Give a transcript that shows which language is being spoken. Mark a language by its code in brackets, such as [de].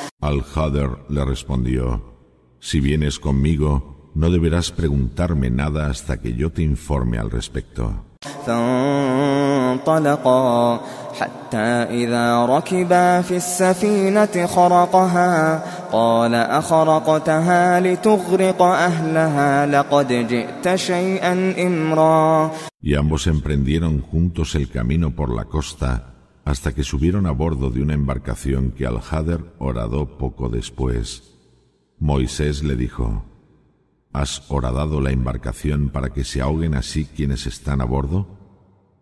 [es] Al-Hadr le respondió: si vienes conmigo, no deberás preguntarme nada hasta que yo te informe al respecto. [ar] فانطلقا حتى إذا ركبا في السفينة خرقها قال أخرقتها لتغرق أهلها لقد جئت شيئا إمرا. [es] Y ambos emprendieron juntos el camino por la costa hasta que subieron a bordo de una embarcación que Al-Hadr horadó poco después. Moisés le dijo: ¿has horadado la embarcación para que se ahoguen así quienes están a bordo?